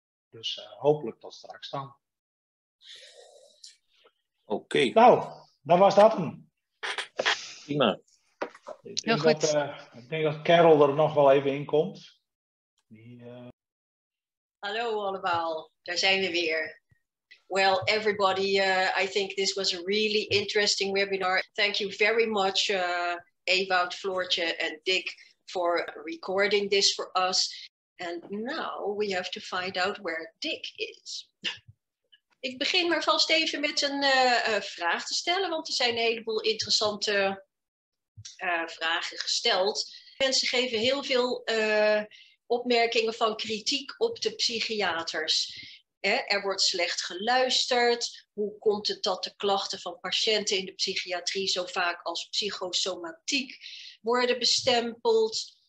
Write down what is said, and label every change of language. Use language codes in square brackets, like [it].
[nl] Dus hopelijk tot straks dan. Oké. Nou, dan was dat hem. Prima. Heel goed. Ik denk dat Carol er nog wel even in komt. Hallo allemaal, daar zijn we weer. [en] Well, everybody, I think this was a really interesting webinar. Thank you very much, Ewout, Floortje en Dick, for recording this for us. And now we have to find out where Dick is. [nl] Ik begin maar vast even met een vraag te stellen, want er zijn een heleboel interessante vragen gesteld. Mensen geven heel veel opmerkingen van kritiek op de psychiaters. Er wordt slecht geluisterd. Hoe komt het dat de klachten van patiënten in de psychiatrie zo vaak als psychosomatiek worden bestempeld?